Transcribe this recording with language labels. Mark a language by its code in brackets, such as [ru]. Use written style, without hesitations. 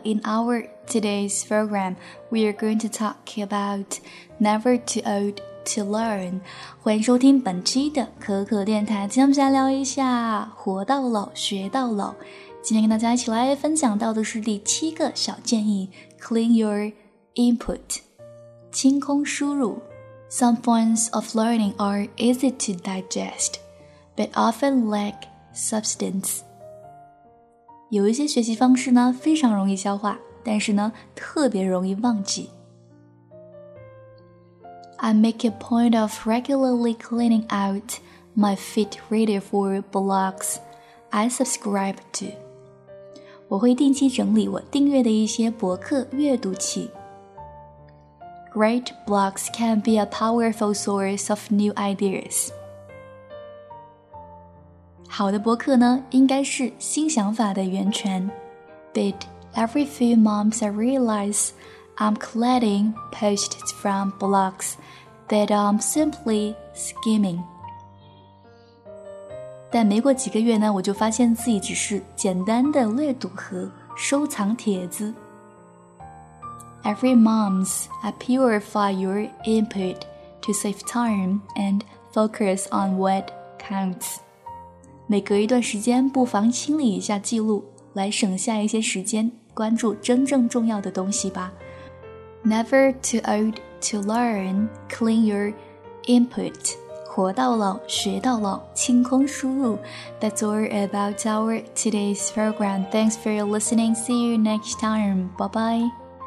[en] In our today's program, we are going to talk about Never Too Old to Learn. [zh] 欢迎收听本期的可可电台。今天我们来聊一下活到老学到老。今天跟大家一起来分享到的是第七个小建议 [en] Clean your input. [zh] 清空输入。 [en] Some forms of learning are easy to digest, but often lack substance. [zh] 有一些学习方式呢，非常容易消化，但是呢，特别容易忘记。 [en] I make a point of regularly cleaning out my feed reader for blogs I subscribe to. [zh] 我会定期整理我订阅的一些博客阅读器。 [en] Great blogs can be a powerful source of new ideas. [zh] 好的博客呢，应该是新想法的源泉。 [en] But every few months I realize I'm collecting posts from blogs that I'm simply skimming. [zh] 但没过几个月呢，我就发现自己只是简单的略读和收藏帖子。 [en] Every month, I purify your input to save time and focus on what counts. [zh] 每隔一段时间，不妨清理一下记录，来省下一些时间，关注真正重要的东西吧。 [en] Never too old to learn, clean your input. [zh] 活到老，学到老，清空输入。 [en] That's all about our today's program. Thanks for listening. See you next time. Bye-bye.